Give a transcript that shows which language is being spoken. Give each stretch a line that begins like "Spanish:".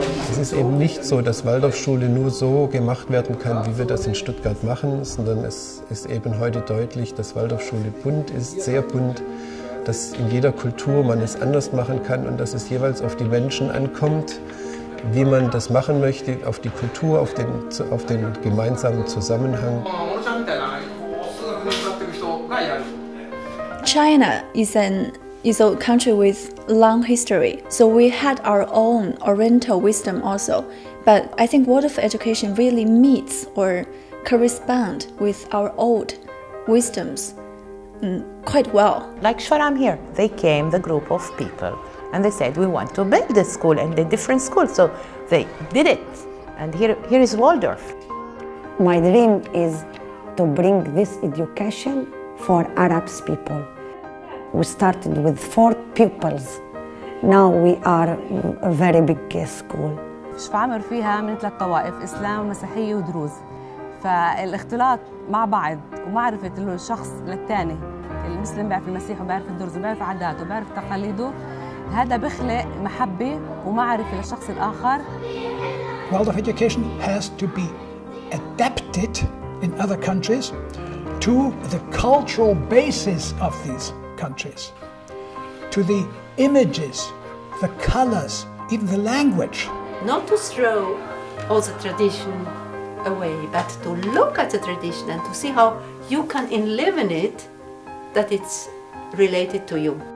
German: Es ist eben nicht so, dass Waldorfschule nur so gemacht werden kann, wie wir das in Stuttgart machen, sondern es ist eben heute deutlich, dass Waldorfschule bunt ist, sehr bunt, dass in jeder Kultur man es anders machen kann und dass es jeweils auf die Menschen ankommt, wie man das machen möchte, auf die Kultur, auf den gemeinsamen Zusammenhang.
English: China is a country with long history, so we had our own oriental wisdom also. But I think Waldorf education really meets or corresponds with our old wisdoms quite well. Like Shoram here, they came, the group of people, and they said, we want to build a school and a different school. So they did it. And here is Waldorf. My dream is to bring this education for Arab people. We started with 4 pupils. Now we are a very big school.
Arabic: شفامر فيها من 3 طوائف اسلام ومسيحيه ودروز. فالاختلاط مع بعض ومعرفه انه الشخص للثاني المسلم بيعرف المسيح وبيعرف الدروز وبيعرف عاداته وبيعرف تقاليده هذا بخلق محبة ومعرفة للشخص الآخر.
English: Waldorf education has to be adapted in other countries to the cultural basis of these countries, to the images, the colors, even the language. Not to throw all the tradition away, but to look at the tradition and to see how you can live in it, that it's related to you.